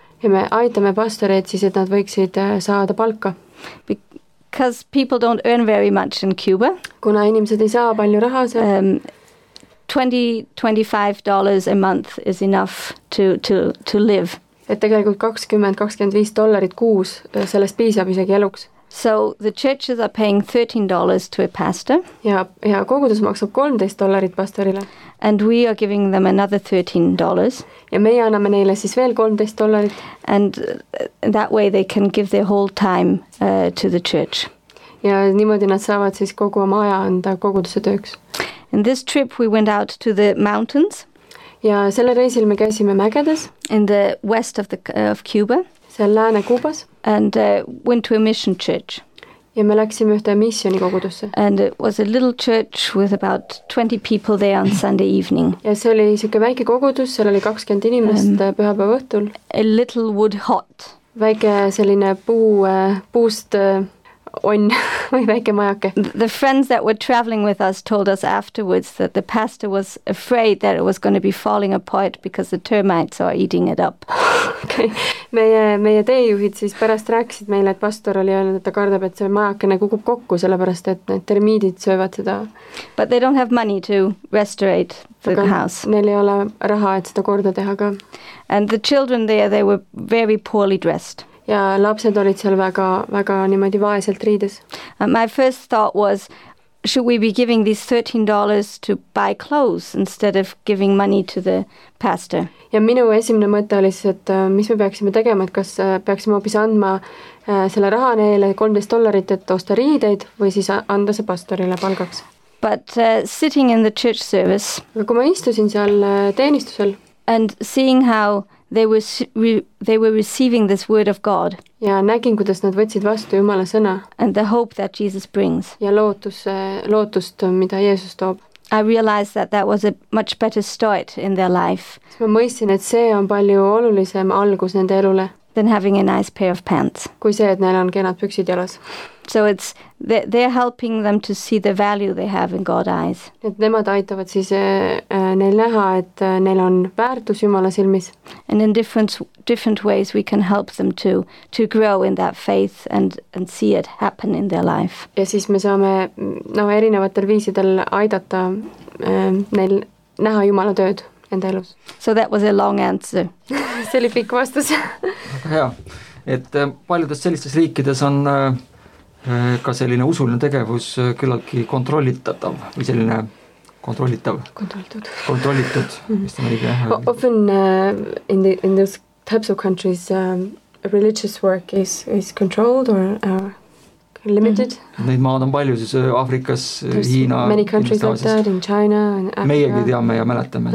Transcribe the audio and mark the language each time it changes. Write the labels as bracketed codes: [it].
[et] Ja me aitame pastoreid siis, et nad võiksid saada palka. [en] Because people don't earn very much in Cuba. [et] Kuna inimesed ei saa palju raha seal. [en] $20-25 a month is enough to live. [et] Et tegelikult $20-25 kuus sellest piisab isegi eluks. [en] So the churches are paying $13 to a pastor. [et] Ja kogudus maksab $13 pastorile. [en] And we are giving them another $13. [et] Ja meie anname neile siis veel $13. [en] And that way they can give their whole time to the church. [et] Ja niimoodi nad saavad siis kogu oma aja anda koguduse tööks. [en] In this trip we went out to the mountains. [et] Ja selle reisil me käisime mägedes. [en] In the west of of Cuba. [et] Seal lääne Kuubas. [en] And went to a mission church. [et] Ja me läksime ühte missioni kogudusse. [en] And it was a little church with about 20 people there on Sunday evening. [et] Ja see oli siuke väike kogudus, seal oli 20 inimest pühapäeva õhtul. [en] A little wood hut. [et] Väike selline puust on või väike majake. [en] The friends that were traveling with us told us afterwards that the pastor was afraid that it was going to be falling apart because the termites are eating it up. Okay. [et] Meie teejuhid siis pärast rääksid meile, et pastor oli öelnud, et ta kardab, et see majakene kukub kokku sellepärast, et need termiidid söövad seda. [en] But they don't have money to restorate the house. [et] Neil ei ole raha, et seda korda teha ka. [en] And the children there, they were very poorly dressed. [et] Ja lapsed olid seal väga, väga niimoodi vaeselt riides. [en] My first thought was, should we be giving these $13 to buy clothes instead of giving money to the pastor? [et] Ja minu esimene mõte oli siis, et mis me peaksime tegema, et kas peaksime hoopis andma selle raha neile $13, et osta riideid või siis anda see pastorile palgaks. [en] But sitting in the church service. [et] Aga kui ma istusin seal teenistusel. [en] And seeing how they were receiving this word of God. [et] Ja nägin, kuidas nad võtsid vastu Jumala sõna. [en] And the hope that Jesus brings. [et] Ja lootust, mida Jeesus toob. [en] I realized that that was a much better start in their life. [et] Ma mõistsin, et see on palju olulisem algus nende elule. [en] Than having a nice pair of pants. [et] Kui see, et neil on kenad püksid jalas. [en] So it's they're helping them to see the value they have in God's eyes. [et] Et nemad aitavad siis neil näha, et neil on väärtus Jumala silmis. [en] And in different ways we can help them to grow in that faith and see it happen in their life. [et] Ja siis me saame erinevatel viisidel aidata neil näha Jumala tööd. [en] So that was a long answer. [et] See oli pikk vastus. Ja, et paljudes sellistes riikides on ka selline usuline tegevus küllaltki kontrollitatav või selline kontrollitav. Kontrollitud. Kontrollitud. [en] Often in those types of countries religious work is controlled or limited. [et] Neid maad on palju, siis Afrikas, [en] There's [et] Hiina, [en] many countries like that, in China and Africa. [et] Meiegi teame ja mäletame